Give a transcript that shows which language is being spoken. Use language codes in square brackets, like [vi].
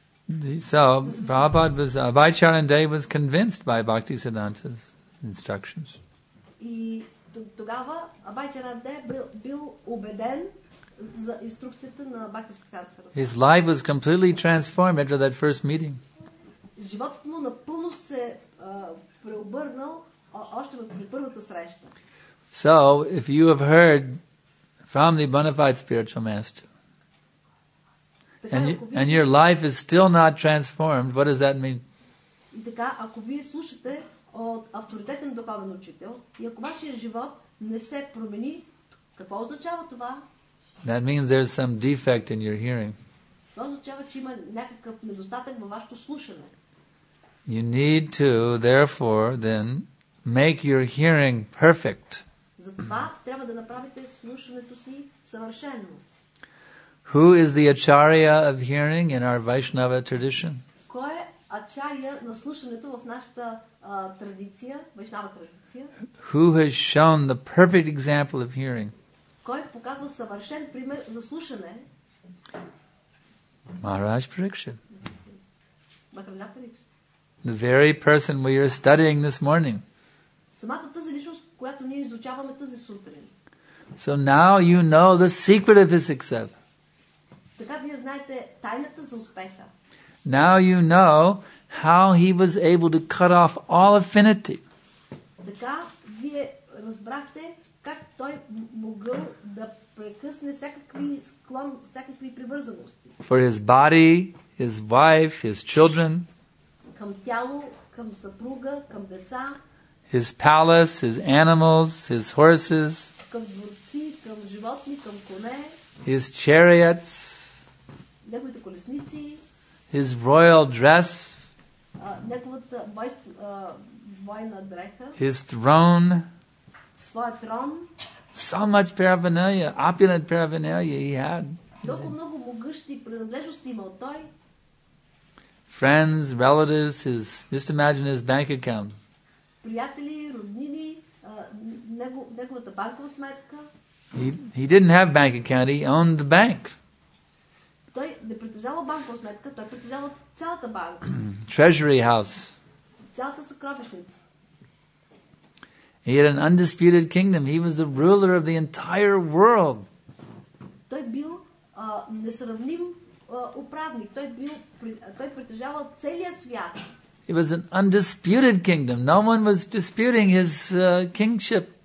[en] So, Prabhupada was, Abhay Charan Day was convinced by Bhakti Siddhanta's instructions. [bg] И тогава Абхай Чаран Дей бил убеден за инструкцията на Бхакти Сиддханта Сарасвати. [en] His life was completely transformed after that first meeting. [bg] Животът му напълно се преобърнал още при първата среща. [en] So, if you have heard from the bona fide spiritual master, and your life is still not transformed, what does that mean? [bg] И така, ако вие слушате от авторитетен духовен учител, и ако вашият живот не се промени, какво означава това? [en] That means there's some defect in your hearing. [bg] Това означава, че има някакъв недостатък във вашето слушане. [en] You need to, therefore, then, make your hearing perfect. [bg] Затова трябва да направите слушането си съвършено. [en] Who is the acharya of hearing in our Vaishnava tradition? [bg] Кой е ачарья на слушането в нашата традиция, Вайшнава традиция? [en] Who has shown the perfect example of hearing? [bg] Кой показва съвършен пример за слушане? [en] Maharaj Pariksha. [bg] Махараджа Парикша. [en] The very person we are studying this morning. [bg] Самата тази личност, която ние изучаваме тази сутрин. [en] So now you know the secret of his success. [bg] Така вие знаете тайната за успеха. [en] Now you know how he was able to cut off all affinity. [bg] Така вие разбрахте как той могъл да прекъсне всякакви склон, всякакви привързаности. [en] For his body, his wife, his children. [bg] Към тяло, към съпруга, към деца. [en] His palace, his animals, his horses. [bg] Към дворци, към животни, към коне. [en] His chariots. [bg] Неговите колесници. [en] His royal dress. [bg] Неговата бойна дреха. [en] His throne. [bg] Своя трон. [en] So much paraphernalia, opulent paraphernalia he had. [bg] Толкова много могъщи принадлежности имал той. [en] Friends, relatives, his, just imagine his bank account. [bg] Приятели, роднини, неговата банкова сметка. [en] He didn't have bank account, he owned the bank. [bg] Той не притежава банкова сметка, той притежава цялата банка. [en] Treasury house. [bg] Цялата съкровищница. [en] He had an undisputed kingdom. He was the ruler of the entire world. [bg] Той бил несравним управник. Той притежавал целия свят. [en] It was an undisputed kingdom. No one was disputing his kingship.